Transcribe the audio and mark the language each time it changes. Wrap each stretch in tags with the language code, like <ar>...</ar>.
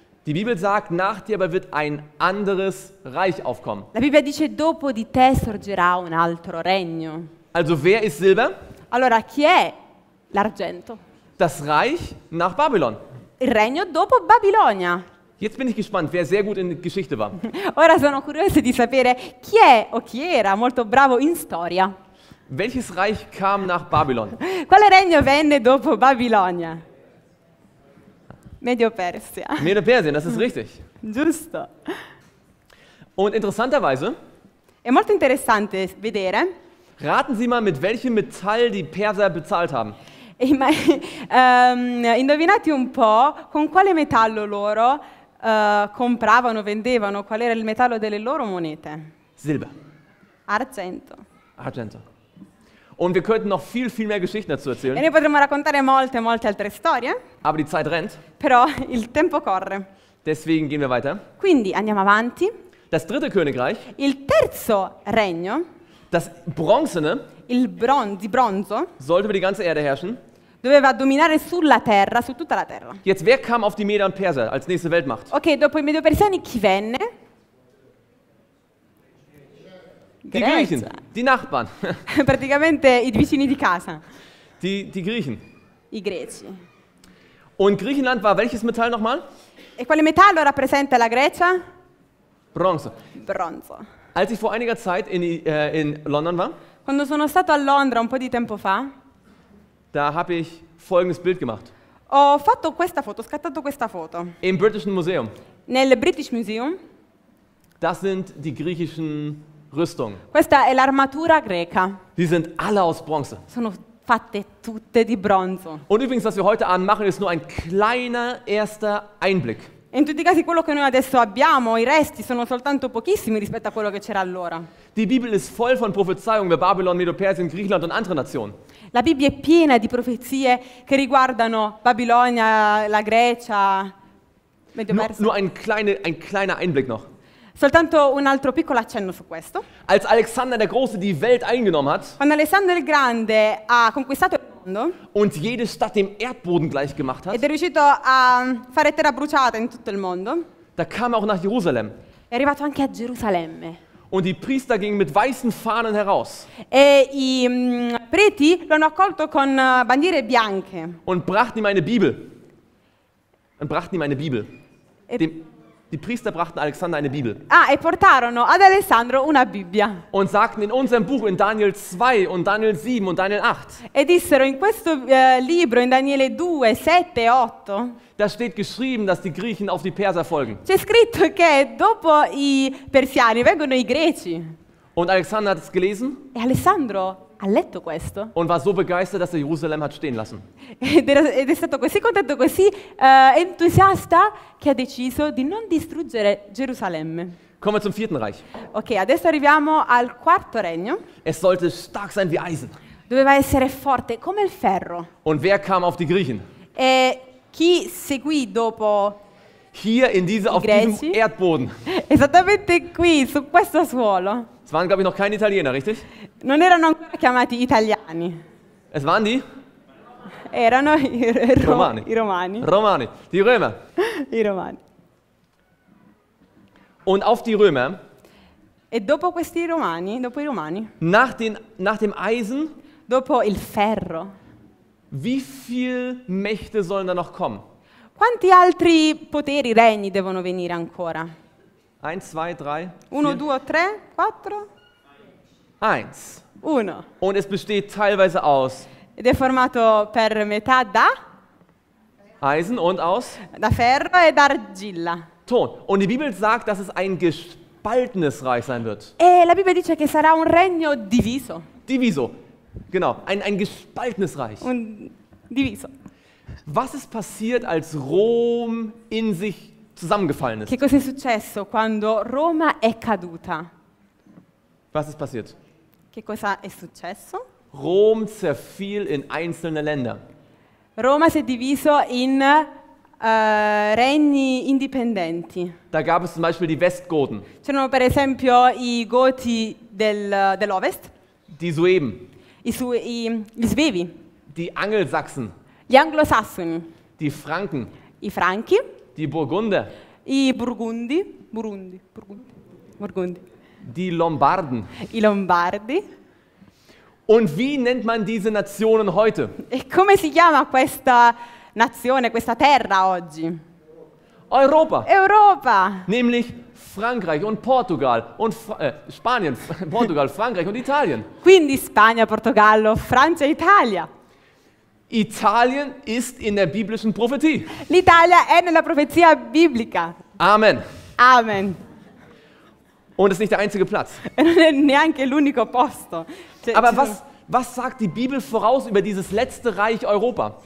<de>Die Bibel sagt, nach dir aber wird ein anderes Reich aufkommen.</de> <it>La Bibbia dice dopo di te sorgerà un altro regno.</it> <de>Also wer ist Silber?</de> <it>Allora chi è l'argento?</it> <de>Das Reich nach Babylon.</de> <it>Il regno dopo Babilonia.</it> <de>Jetzt bin ich gespannt, wer sehr gut in Geschichte war.</de> <it>Ora sono curioso di sapere chi è o chi era molto bravo in storia.</it> <de>Welches Reich kam nach Babylon?</de> <it>Quale regno venne dopo Babilonia? Medio-Persia.</it> <de>Medio-Persien, das ist richtig.</de> <it>Giusto.</it> <de>Und interessanterweise.</de> <it>È molto interessante vedere.</it> <de>Raten Sie mal, mit welchem Metall die Perser bezahlt haben.</de> <it>Indovinate un po' con quale metallo loro compravano, vendevano, qual era il metallo delle loro monete?</it> <de>Silber.</de> <it>Argento. Argento.</it> <de>Und wir könnten noch viel, viel mehr Geschichten dazu erzählen.</de> <it>E noi potremmo raccontare molte, molte altre storie.</it> <de>Aber die Zeit rennt.</de> <it>Però il tempo corre.</it> <de>Deswegen gehen wir weiter.</de> <it>Quindi andiamo avanti.</it> <de>Das dritte Königreich.</de> <it>Il terzo regno.</it> <de>Das bronzene.</de> <it>Il bronzo.</it> <de>Sollte über die ganze Erde herrschen.</de> <it>Doveva dominare sulla terra, su tutta la terra.</it> <de>Jetzt, wer kam auf die Meder und Perser als nächste Weltmacht?</de> <it>Okay, dopo i Medo-Persiani chi venne?</it> <de>Die Griechen, die Nachbarn.</de> <it>Praticamente i vicini di casa.</it> <de>Die Griechen.</de> <it>I Greci.</it> <de>Und Griechenland war welches Metall nochmal?</de> <it>E quale metallo rappresenta la Grecia? Bronzo. Bronzo.</it> <de>Als ich vor einiger Zeit in London war.</de> <it>Quando sono stato a Londra un po' di tempo fa.</it> <de>Da habe ich folgendes Bild gemacht.</de> <it>Ho fatto questa foto, ho scattato questa foto.</it> <de>Im British Museum.</de> <it>Nel British Museum.</it> <de>Das sind die griechischen Rüstung.</de> <it>Questa è l'armatura greca.</it> <de>Die sind alle aus Bronze.</de> <it>Sono fatte tutte di bronzo.</it> <de>Und übrigens, was wir heute Abend machen, ist nur ein kleiner erster Einblick.</de> <it>In tutti i casi, quello che noi adesso abbiamo, i resti, sono soltanto pochissimi rispetto a quello che c'era allora.</it> <de>Die Bibel ist voll von Prophezeiungen über Babylon, Medo-Persien, Griechenland und andere Nationen.</de> <it>La Bibbia è piena di profezie che riguardano Babilonia, la Grecia, Medo-Persia.</it> <de>Nur ein kleiner Einblick noch.</de> <it>Soltanto un altro piccolo accenno su questo.</it> <de>Als Alexander der Große die Welt eingenommen hat.</de> <it>Quando Alessandro il Grande ha conquistato il mondo.</it> <de>Und jede Stadt dem Erdboden gleich gemacht hat.</de> <it>Ed è riuscito a fare terra bruciata in tutto il mondo.</it> <de>Da kam auch nach Jerusalem.</de> <it>È arrivato anche a Gerusalemme.</it> <de>Und die Priester gingen mit weißen Fahnen heraus.</de> <it>E i preti lo hanno accolto con bandiere bianche.</it> <de>Und brachten ihm eine Bibel. Und brachten ihm eine Bibel. Die Priester brachten Alexander eine Bibel.</de> <it>Ah, e portarono ad Alessandro una Bibbia.</it> <de>Und sagten in unserem Buch in Daniel 2 und Daniel 7 und Daniel 8.</de> <it>E dissero in questo libro in Daniele 2, 7, 8.</it> <de>Da steht geschrieben, dass die Griechen auf die Perser folgen.</de> <it>C'è scritto che dopo i Persiani vengono i Greci.</it> <de>Und Alexander hat es gelesen.</de> <it>E Alessandro ha letto questo.</it> <de>Und war so begeistert, dass er Jerusalem hat stehen lassen.</de> <it>Ed è stato così contento, così entusiasta, che ha deciso di non distruggere Gerusalemme.</it> <de>Kommen wir zum vierten Reich.</de> <it>Okay, adesso arriviamo al quarto regno.</it> <de>Es sollte stark sein wie Eisen.</de> <it>Doveva essere forte come il ferro.</it> <de>Und wer kam auf die Griechen?</de> <it>E chi seguì dopo?</it> <de>Hier in diese,</de> <it>i</it> <de>auf</de> <it>Greci?</it> <de>Diesem Erdboden.</de> <it>Esattamente qui, su questo suolo.</it> <de>Es waren, glaube ich, noch keine Italiener, richtig?</de> <it>Non erano ancora chiamati italiani.</it> <de>Es waren die?</de> <it>Erano Romani. I Romani. Romani.</it> <de>Die Römer.</de> <it>I Romani.</it> <de>Und auf die Römer.</de> <it>E dopo questi Romani, dopo i Romani.</it> <de>Nach dem Eisen.</de> <it>Dopo il ferro.</it> <de>Wie viele Mächte sollen da noch kommen?</de> <it>Quanti altri poteri, regni devono venire ancora?</it> <de>1, 2, 3,</de> <it>1, 2, 3, 4.</it> <de>1.</de> <it>1.</it> <de>Und es besteht teilweise aus.</de> <it>Ed è formato per metà da?</it> <de>Eisen und aus?</de> <it>Da ferro e d'argilla.</it> <de>Ton. Und die Bibel sagt, dass es ein gespaltenes Reich sein wird.</de> <it>E la Bibbia dice che sarà un regno diviso. Diviso.</it> <de>Genau. Ein gespaltenes Reich.</de> <it>Un diviso.</it> <de>Was ist passiert, als Rom in sich zusammengefallen ist?</de> <it>Che cosa è successo quando Roma è caduta?</it> <de>Was ist passiert?</de> <it>Che cosa è successo?</it> <de>Rom zerfiel in einzelne Länder.</de> <it>Roma si è diviso in regni indipendenti.</it> <de>Da gab es zum Beispiel die Westgoten.</de> <it>C'erano per esempio i Goti dell'Ovest.</it> <de>Die Sueben.</de> <it>I Suevi.</it> <de>Die Angelsachsen.</de> <it>Gli Anglosassoni.</it> <de>Die Franken.</de> <it>I Franchi.</it> <de>Die Burgunder.</de> <it>I Burgundi. Burundi. Burgundi. Burgundi.</it> <de>Die Lombarden.</de> <it>I Lombardi.</it> <de>Und wie nennt man diese Nationen heute?</de> <it>E come si chiama questa nazione, questa terra oggi?</it> <de>Europa.</de> <it>Europa.</it> <de>Nämlich Frankreich und Portugal und Spanien, Portugal, Frankreich und Italien.</de> <it>Quindi Spagna, Portogallo, Francia, Italia.</it> <de>Italien ist in der biblischen Prophetie.</de> <it>L'Italia è nella profezia biblica.</it> <de>Amen.</de> <it>Amen.</it> <de>Und ist nicht der einzige Platz.</de> <it>E non è neanche l'unico posto.</it> <de>Aber was, Was sagt die Bibel voraus über dieses letzte Reich Europa?</de>